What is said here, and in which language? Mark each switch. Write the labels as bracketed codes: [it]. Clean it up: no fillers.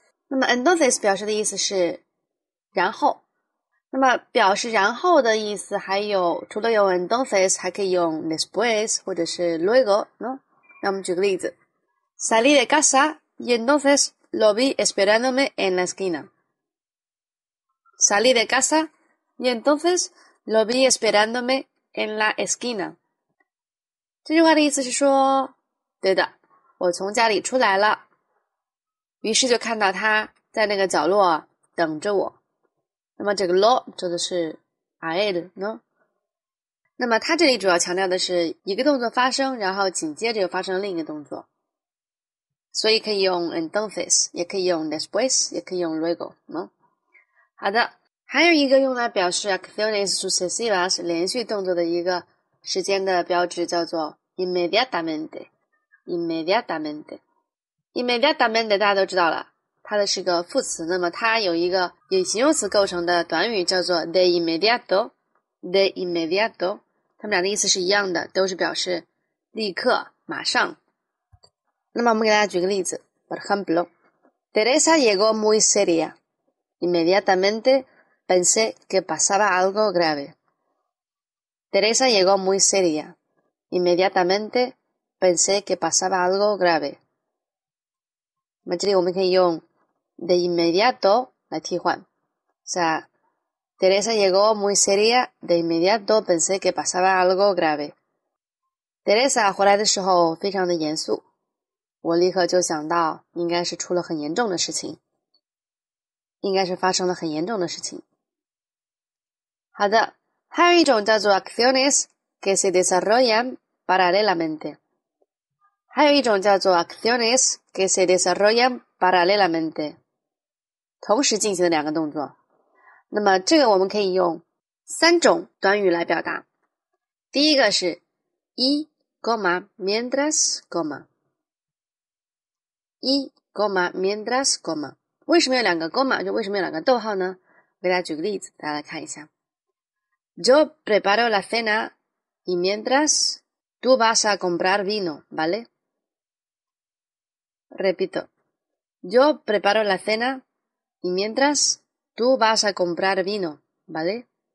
[zh] 那么 entonces 表示的意思是然后，那么表示然后的意思还有除了用 entonces 还可以用 después 或者是 luego， [es] no？ [zh] 那我们举个例子， [es] Salí de casa y entonces lo vi esperándome en la esquina. Salí de casa y entonces lo vi esperándome en la esquina. [zh] 这句话的意思是说，对的，我从家里出来了，于是就看到他。在那个角落等着我。那么这个 lo 做的是 [es] a él no。 [zh] 那么他这里主要强调的是一个动作发生，然后紧接着又发生了另一个动作，所以可以用 entonces，也可以用 después，也可以用 luego no。好的，还有一个用来表示 [es] acciones sucesivas [zh] 连续动作的一个时间的标志叫做 inmediatamente，inmediatamente 大家都知道了。它的是个副词，那么它有一个以形容词构成的短语，叫做 de inmediato。 de inmediato，它们俩的意思是一样的，都是表示立刻、马上。那么我们给大家举个例子， [es] por ejemplo, Teresa llegó muy seria. Inmediatamente pensé que pasaba algo grave. Teresa llegó muy seria. Inmediatamente pensé que pasaba algo grave. [zh] 那么这里我们可以用 de inmediato 来替换， [es] Teresa llegó muy seria. De inmediato pensé que pasaba algo grave. [zh] Teresa 回来的时候非常的严肃，我立刻就想到应该是出了很严重的事情，应该是发生了很严重的事情。好的，还有一种叫做 [es] acciones que se desarrollan paralelamente， [zh] 还有一种叫做 [es] acciones que se desarrollan paralelamente。 [zh] 同时进行的两个动作，那么这个我们可以用三种短语来表达。第一个是 [es] y coma mientras coma y coma mientras coma。 [zh] 为什么有两个 coma？ 就为什么有两个逗号呢？我给大家举个例子，大家来看一下。 [es] Yo preparo la cena y mientras tú vas a comprar vino, ¿vale? Repito. Yo preparo la cena Y mientras tú vas a comprar vino, ¿vale?